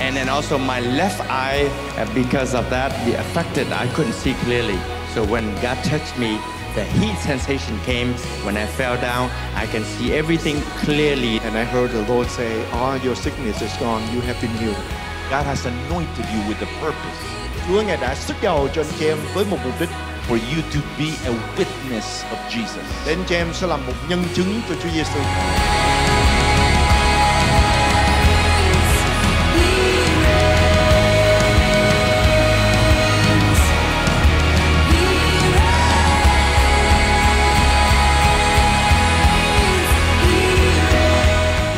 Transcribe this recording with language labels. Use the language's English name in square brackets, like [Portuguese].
[English] And then also my left eye, because of that, the affected, I couldn't see clearly. So when God touched me, the heat sensation came. When I fell down, I can see everything clearly. And I heard the Lord say, all your sickness is gone. You have been healed. God has anointed you with a purpose. [Vietnamese] Chúa ngài đã sức dầu cho anh chị em với một mục đích. [English] For you to be a witness of Jesus. [Vietnamese] Đến cho em sẽ làm một nhân chứng cho Chúa Giêsu.